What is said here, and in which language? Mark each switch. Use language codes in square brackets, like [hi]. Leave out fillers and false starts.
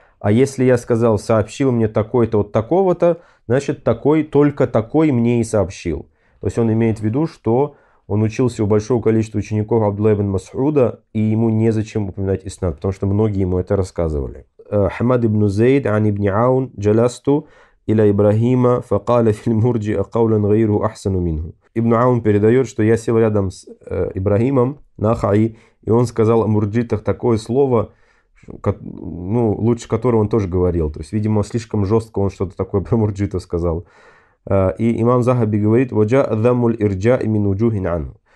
[ru] А если я сказал, сообщил мне такой-то от такого-то, значит, такой, только такой мне и сообщил». То есть он имеет в виду, что он учился у большого количества учеников Абдулла ибн Мас'уда, и ему незачем упоминать иснад, потому что многие ему это рассказывали. «Хамад ибн Зейд ан ибн Аун джаласту [ar] إلى إبراهيم فقال في المرجئة قولا غيره أحسن منه. [ru] Ибн Аун передает, что я сел рядом с Ибрахимом, Нахаи, и он сказал о мурджитах такое слово, ну, лучше которого он тоже говорил. То есть, видимо, слишком жестко он что-то такое про мурджита сказал. И имам Захаби говорит, [ar] «Ваджа адамуль ирджа имин уджухин анху».